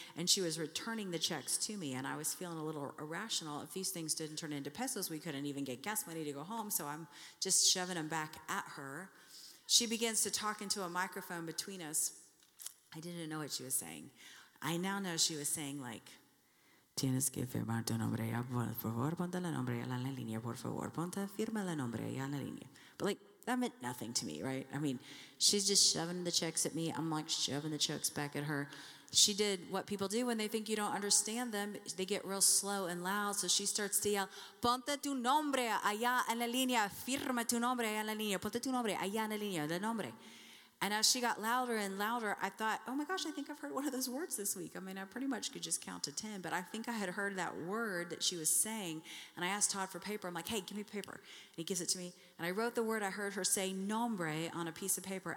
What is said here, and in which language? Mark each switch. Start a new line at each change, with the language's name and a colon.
English: And she was returning the checks to me. And I was feeling a little irrational. If these things didn't turn into pesos, we couldn't even get gas money to go home. So I'm just shoving them back at her. She begins to talk into a microphone between us. I didn't know what she was saying. I now know she was saying, like,
Spanish: tienes que firmar tu nombre. Por favor, ponte el nombre en la línea. Por favor, ponte, firma el nombre en la línea.
English: But, like, that meant nothing to me, right? I mean, she's just shoving the checks at me. I'm like shoving the checks back at her. She did what people do when they think you don't understand them. They get real slow and loud. So she starts to yell,
Spanish: ponte tu nombre allá en la línea. Firma tu nombre allá en la línea. Ponte tu nombre allá en la línea. De nombre.
English: And as she got louder and louder, I thought, oh my gosh, I think I've heard one of those words this week. I mean, I pretty much could just count to 10, but I think I had heard that word that she was saying. And I asked Todd for paper. I'm like, hey, give me paper. And he gives it to me. And I wrote the word I heard her say, nombre, on a piece of paper.